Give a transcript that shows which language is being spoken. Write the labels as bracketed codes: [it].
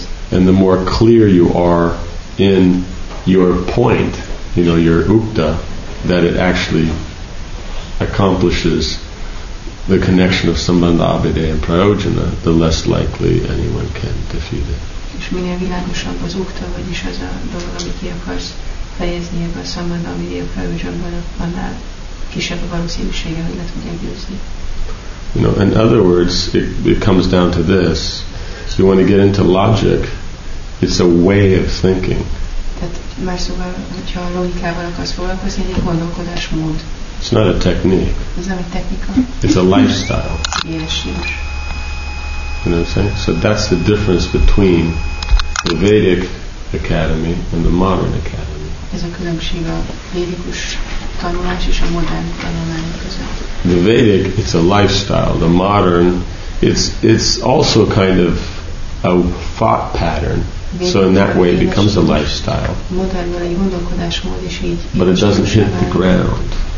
[en] And the more clear you are in your point, you know, your ukta, that it actually accomplishes the connection of sambandha, abhide, and prayojana, the less likely anyone can defeat it. [hu] És minél világosabb az ukta, vagyis az a dolog, amit ki akarsz fejezni ebben a szambandha, abhide, and prayojanában, annál kisebb a valószínűsége, hogy le tudják győzni. [en] You know, in other words, it comes down to this. So you want to get into logic, it's a way of thinking. [hu] Tehát más szóval, hogyha a logikával akarsz foglalkozni, egy gondolkodásmód. [en] It's not a technique. [hu] Ez nem egy technika. [en] It's a lifestyle. [hu] Élesség. [en] You know what I'm saying? So that's the difference between the Vedic academy and the modern academy. [hu] Ez a különbség a védikus tanulás és a modern tanulmány között. [en] The Vedic, it's a lifestyle. The modern, it's also kind of a thought pattern. So in that way it becomes a lifestyle. But it doesn't hit the ground.